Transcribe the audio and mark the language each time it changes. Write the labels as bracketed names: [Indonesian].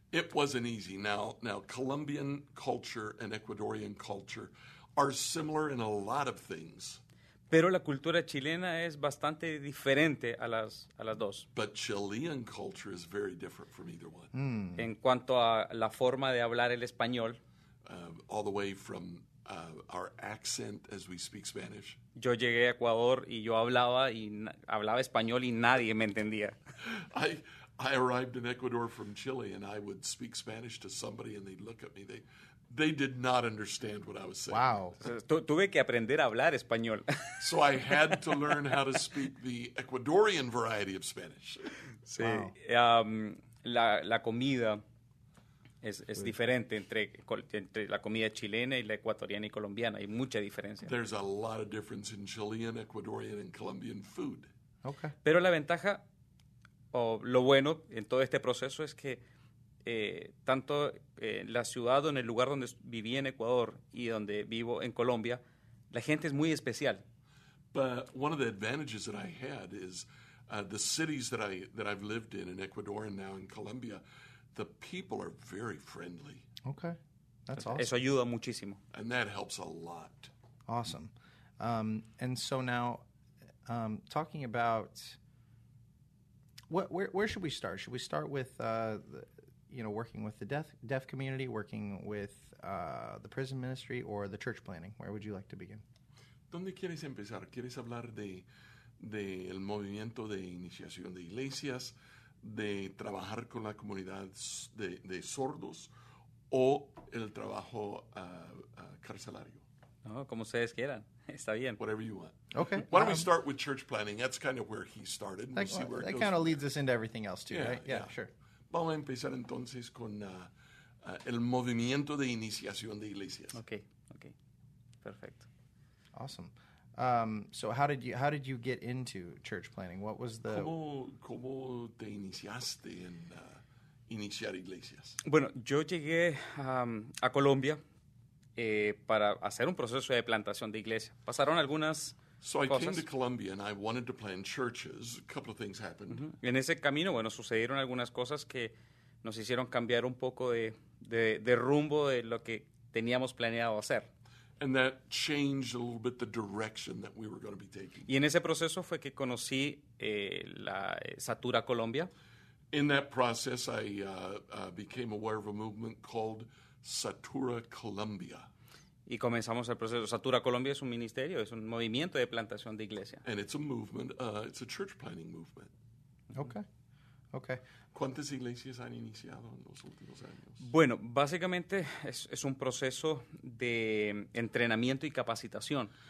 [English] It wasn't easy. Now, Colombian culture and Ecuadorian culture are similar in a lot of things. [Spanish] Pero la cultura chilena es bastante diferente a las dos. [English] But Chilean culture is very different from either one. Mm. [Spanish] En cuanto a la forma de hablar el español. [English] All the way from our accent as we speak Spanish. [Spanish] Yo llegué a Ecuador y yo hablaba español y nadie me entendía. [English] I arrived in Ecuador from Chile and I would speak Spanish to somebody and they'd look at me. They did not understand what I was saying. Wow. [Spanish] Tuve que aprender a hablar español. [English] So I had to learn how to speak the Ecuadorian variety of Spanish. [Spanish] Sí. Wow. La comida es diferente entre la comida chilena y la ecuatoriana y colombiana. Hay mucha diferencia. [English] There's a lot of difference in Chilean, Ecuadorian, and Colombian food. Okay. [Spanish] Pero la ventaja o lo bueno en todo este proceso es que tanto en la ciudad o en el lugar donde viví en Ecuador y donde vivo en Colombia, la gente es muy especial. [English] But one of the advantages that I had is the cities that I've lived in Ecuador and now in Colombia, the people are very friendly. Okay, that's awesome. [Spanish] Eso ayuda muchísimo. [English] And that helps a lot. Awesome. And so now, talking about where should we start? Should we start with working with the deaf community, working with the prison ministry, or the church planning? Where would you like to begin? [Spanish] ¿Dónde quieres empezar? ¿Quieres hablar de el movimiento de iniciación de iglesias, de trabajar con la comunidad de sordos, o el trabajo carcelario? No, como ustedes quieran. Está bien. [English] Whatever you want. Okay. Why don't we start with church planning? That's kind of where he started. That, we'll see where that it kind of leads us into everything else, too, yeah, right? Yeah, sure. [Spanish] Vamos a empezar entonces con el movimiento de iniciación de iglesias. Okay. Perfecto. [English] Awesome. So how did you get into church planning? What was the... [Spanish] ¿Cómo te iniciaste en iniciar iglesias? Bueno, yo llegué a Colombia para hacer un proceso de plantación de iglesia. Pasaron algunas cosas. [English] So I came to Colombia and I wanted to plant churches. A couple of things happened. Uh-huh. [Spanish] En ese camino, bueno, sucedieron algunas cosas que nos hicieron cambiar un poco de rumbo de lo que teníamos planeado hacer. [English] And that changed a little bit the direction that we were going to be taking. [Spanish] Y en ese proceso fue que conocí la Satura Colombia. [English] In that process, I became aware of a movement called Satura Colombia. [Spanish] Y comenzamos el proceso. Satura Colombia es un ministerio, es un movimiento de plantación de iglesia. [English] And it's a movement, it's a church planting movement. Okay. [Spanish] ¿Cuántas iglesias han iniciado en los últimos años? Bueno, básicamente es un proceso de entrenamiento y capacitación.